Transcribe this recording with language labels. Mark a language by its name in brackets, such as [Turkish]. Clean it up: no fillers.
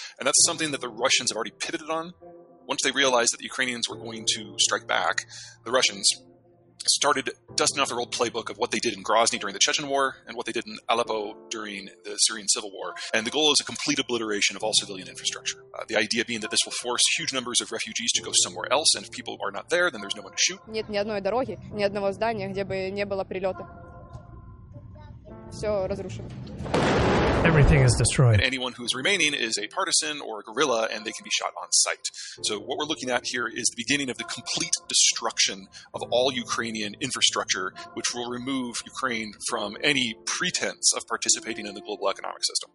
[English] And that's something that the Russians have already pivoted on. Once they realized that the Ukrainians were going to strike back, the Russians started dusting off their old playbook of what they did in Grozny during the Chechen War and what they did in Aleppo during the Syrian Civil War. And the goal is a complete obliteration of all civilian infrastructure. The idea being that this will force huge numbers of refugees to go somewhere else, and if people are not there, then there's no one to shoot. [Russian] Нет ни одной дороги, ни одного здания, где бы не было прилета. Все разрушено. [English] Everything is destroyed. And anyone who is remaining is a partisan or a guerrilla, and they can be shot on sight. So what we're looking at here is the beginning of the complete destruction of all Ukrainian infrastructure, which will remove Ukraine from any pretense of participating in the global economic system.